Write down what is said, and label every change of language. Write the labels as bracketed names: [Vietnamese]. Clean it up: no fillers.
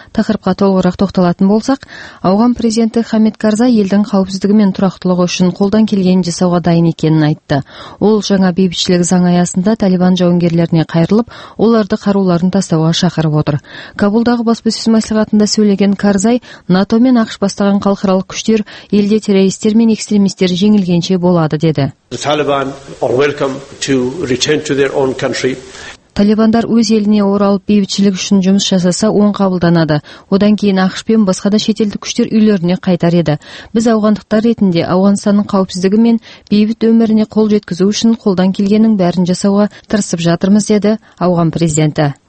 [Kazakh] Тақырыпқа толығырақ тоқталатын болсақ, Ауған президенті Хамид Карзай елдің қауіпсіздігі мен тұрақтылығы үшін қолдан келгенін жасауға дайын екенін айтты. Ол жаңа бейбітшілік заң аясында Талибан жауынгерлеріне қайырылып, оларды қаруларын тастауға шақырып отыр. Кабулдағы баспасөз мәслихатында сөйлеген Карзай, НАТО мен ақш бастаған халықаралық күштер елде террористер мен экстремистер жеңілгенше болады деді. [English] The Taliban are welcome to return to their own country. [Kazakh] Талибандар өз еліне оралып бейбітшілік үшін жұмыс жасаса оң қабылданады. Одан кейін ақш пен басқа да шетелдік күштер үйлеріне қайтар еді. Біз ауғандықтар ретінде Ауғанстанның қауіпсіздігі мен бейбіт өміріне қол жеткізу үшін қолдан келгеннің бәрін жасауға тырысып жатырмыз деді Ауған президенті.